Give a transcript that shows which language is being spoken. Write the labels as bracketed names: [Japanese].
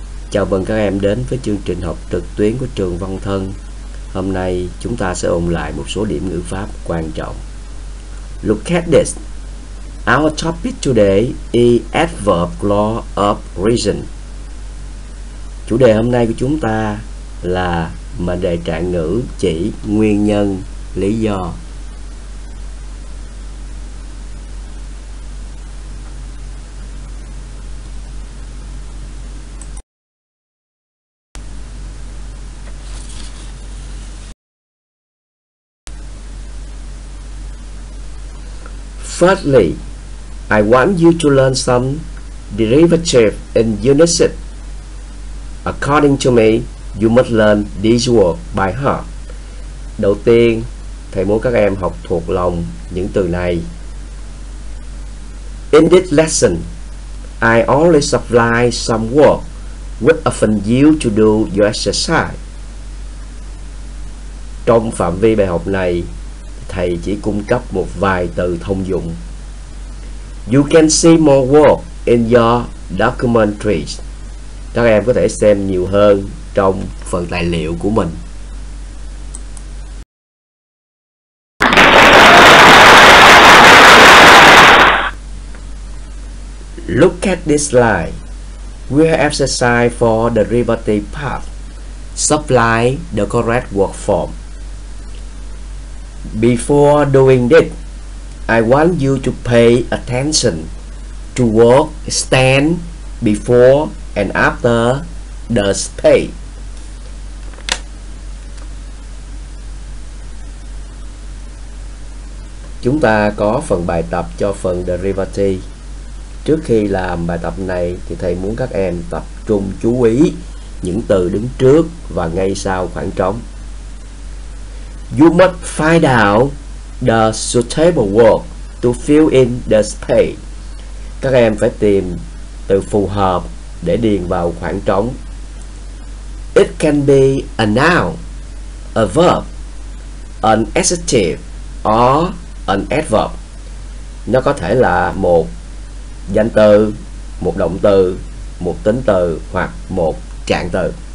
[Vietnamese] Chào mừng các em đến với chương trình học trực tuyến của trường Văn Thân. Hôm nay, chúng ta sẽ ôn lại một số điểm ngữ pháp quan trọng. [English] Look at this. Our topic today is adverb law of reason. [Vietnamese] Chủ đề hôm nay của chúng ta là mệnh đề trạng ngữ chỉ nguyên nhân, lý do. [English] Firstly, I want you to learn some derivative in unit 6. According to me, you must learn these words by heart. [Vietnamese] Đầu tiên, thầy muốn các em học thuộc lòng những từ này. [English] In this lesson, I only supply some words which often used to do your exercise. [Vietnamese] Trong phạm vi bài học này, thầy chỉ cung cấp một vài từ thông dụng. [English] You can see more words in your documentaries. [Vietnamese] Các em có thể xem nhiều hơn trong phần tài liệu của mình. [English] Look at this line. We have exercise for the derivative part. Supply the correct word form. Before doing this, I want you to pay attention to word stand before and after the space. [Vietnamese] Chúng ta có phần bài tập cho phần derivative. Trước khi làm bài tập này thì thầy muốn các em tập trung chú ý những từ đứng trước và ngay sau khoảng trống. [English] You must find out the suitable word to fill in the space. [Vietnamese] Các em phải tìm từ phù hợp để điền vào khoảng trống. [English] It can be a noun, a verb, an adjective, or an adverb. [Vietnamese] Nó có thể là một danh từ, một động từ, một tính từ hoặc một trạng từ.